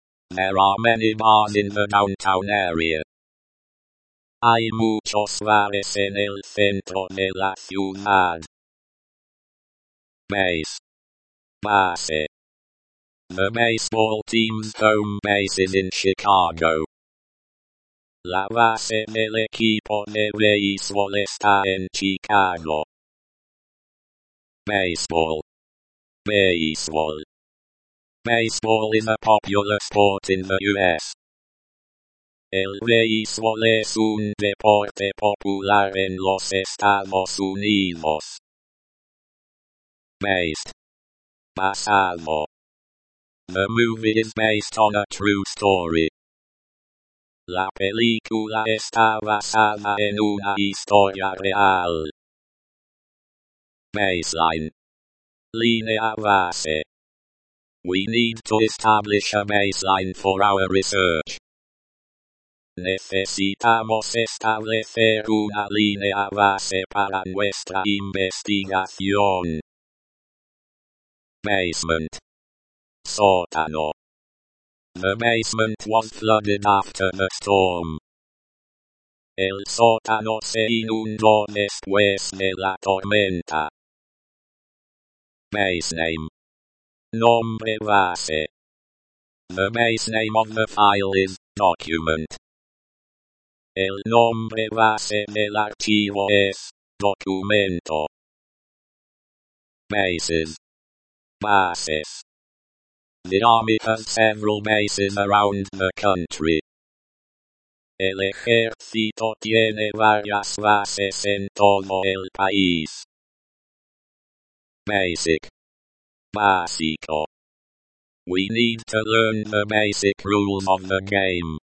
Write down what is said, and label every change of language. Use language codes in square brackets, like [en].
[en] There are many bars in the downtown area. [es] Hay muchos bares en el centro de la ciudad. Base. Base. [en] The baseball team's home base is in Chicago. [es] La base del equipo de béisbol está en Chicago. [en] Baseball. Baseball. Baseball is a popular sport in the U.S. [es] El béisbol es un deporte popular en los Estados Unidos. Based. Basado. [en] The movie is based on a true story. [es] La película está basada en una historia real. Baseline. Línea base. [en] We need to establish a baseline for our research. [es] Necesitamos establecer una línea base para nuestra investigación. Basement. Sótano. [en] The basement was flooded after the storm. [es] El sótano se inundó después de la tormenta. Base name. Nombre base. [en] The base name of the file is document. [es] El nombre base del archivo es documento. [en] Bases. Bases. The army has several bases around the country. [es] El ejército tiene varias bases en todo el país. Basic. Básico. [en] We need to learn the basic rules of the game.